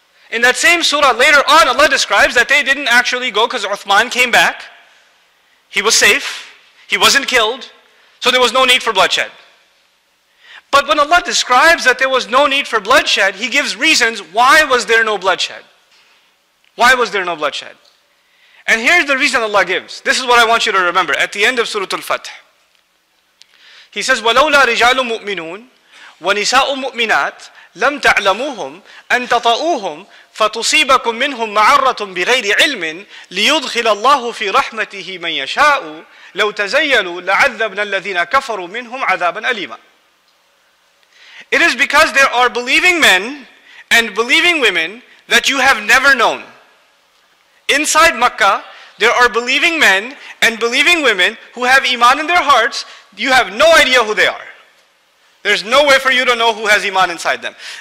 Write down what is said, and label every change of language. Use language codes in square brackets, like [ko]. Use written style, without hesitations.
[en] In that same surah, later on, Allah describes that they didn't actually go because Uthman came back. He was safe. He wasn't killed. So there was no need for bloodshed. But when Allah describes that there was no need for bloodshed, He gives reasons why was there no bloodshed. Why was there no bloodshed? And here's the reason Allah gives. This is what I want you to remember. [ar] At the end of Surah Al-Fatih, He says, وَلَوْلَا رِجَالُ مُؤْمِنُونَ وَنِسَاءُ مُؤْمِنَاتِ لَمْ تَعْلَمُوهُمْ أَنْ تَطَأُوهُمْ فَتُصِيبَكُمْ مِنْهُمْ مَعَرَّةٌ بِغَيْرِ عِلْمٍ لِيُدْخِلَ اللَّهُ فِي رَحْمَتِهِ مَنْ يَشَاءُ لَوْ تَزَيَّلُوا لَعَذَّبْنَا الَّذِينَ كَفَرُوا مِنْهُمْ عَذَابًا أَلِيمًا. [en] It is because there are believing men and believing women that you have never known. Inside Mecca, there are believing men and believing women who have iman in their hearts. You have no idea who they are. There's no way for you to know who has iman inside them.